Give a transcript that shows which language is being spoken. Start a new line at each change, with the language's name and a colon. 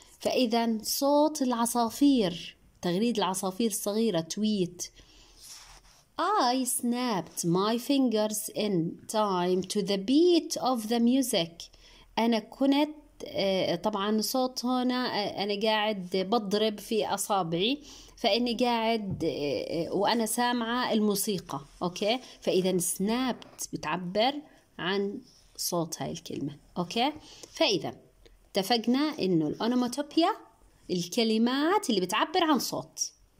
Arabic: فإذا صوت العصافير، تغريد العصافير الصغيرة، tweet.
English: I snapped my fingers in time to the beat of the music.
Arabic: أنا كنت طبعا صوت هنا أنا قاعد بضرب في أصابعي، فإني قاعد وأنا سامعة الموسيقى. أوكي؟ فإذا snapped بتعبر عن صوت هاي الكلمة. أوكي؟ فإذا اتفقنا إنه الأونوماتوبيا الكلمات اللي بتعبر عن صوت.